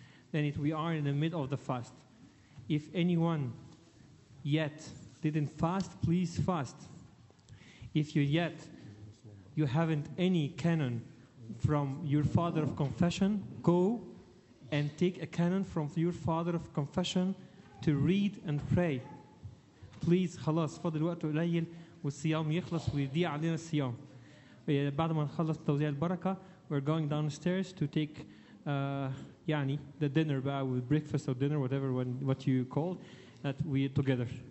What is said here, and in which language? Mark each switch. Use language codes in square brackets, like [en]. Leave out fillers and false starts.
[en] Then we are in the mid of the fast. If anyone yet didn't fast, please fast. If you yet you haven't any canon from your father of confession, go and take a canon from your father of confession to read and pray. [ar] Please, خلاص فاضل وقت قليل والصيام يخلص ويضيع علينا الصيام. بعد ما نخلص توزيع البركة, [en] we're going downstairs to take يعني the dinner, with breakfast or dinner, whatever what you call, that we together.